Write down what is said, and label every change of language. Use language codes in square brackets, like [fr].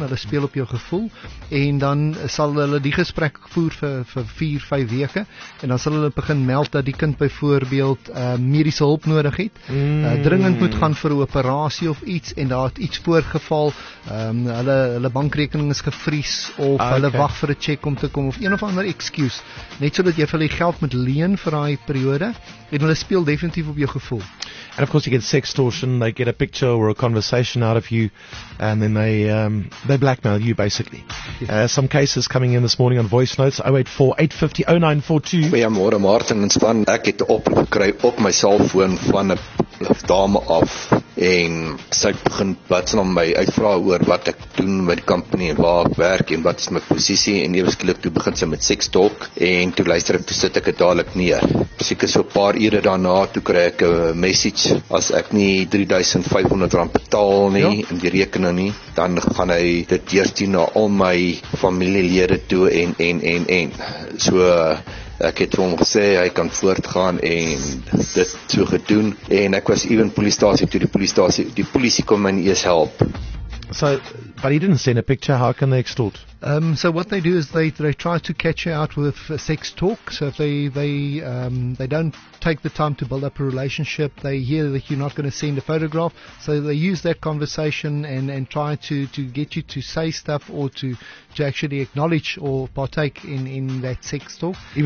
[af] Hulle speel op jou gevoel en dan sal hulle die gesprek voer vir 4-5 weke en dan sal hulle begin meld dat die kind byvoorbeeld mediese hulp nodig het. Dringend moet gaan vir operasie of iets en daar het iets voorgeval, hulle bankrekening is gevries of hulle wag vir 'n cheque om te kom of een of ander excuse, net so dat jy vir hulle geld moet leen vir daai periode en hulle speel definitief op jou gevoel. [en] And of course you get sextortion, they get a picture or a conversation out of you and then they blackmail you basically. Some cases coming in this morning on voice notes, 0848500942. [af] Goeiemôre Martin en Span, ek het opgekry op my selfoon van 'n dame af En sy begin platsel aan my uitvra oor wat ek doen met die company en waar ek werk en wat is my posisie en eweskielik toe begin sy met sex talk en toe luister ek, toe sit ek het dadelik neer. Seker so 'n paar ure daarna toe kry ek 'n message as ek nie R3,500 betaal nie in die rekening nie, dan gaan hy dit deurstuur na al my familielede toe en. So ek het vir hom gesê, hy kan voortgaan en dit so gedoen. En ek was even polisiestasie toe die polisie kom my eers help. [en] So, but he didn't send a picture, how can they extort? So what they do is they try to catch you out with a sex talk. So if they don't take the time to build up a relationship, they hear that you're not going to send a photograph. So they use that conversation and try to get you to say stuff or to actually acknowledge or partake in that sex talk.